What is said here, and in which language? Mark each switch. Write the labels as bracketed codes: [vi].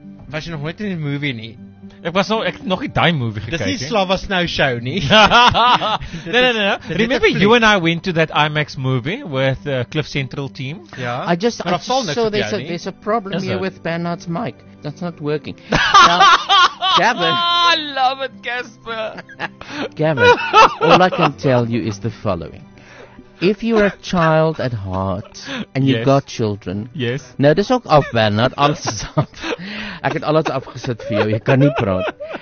[af] Was jy nog nooit in die movie nie? Ek het nog nie die movie gekyk. Dis nie Slava Snow Show nie. [en] No. Remember you and I went to that IMAX movie with the Cliff Central team? Yeah. I just saw there's a problem is here it? With Bernard's mic. That's not working. Now, Gavin. I love it, Casper. Gavin, all I can tell you is the following. If you're a child at heart, and you've got children... Yes. [af] Nou, dis ook af, Bernard. Alles is af. Ek het alles afgesit vir jou. Jy kan nie praat.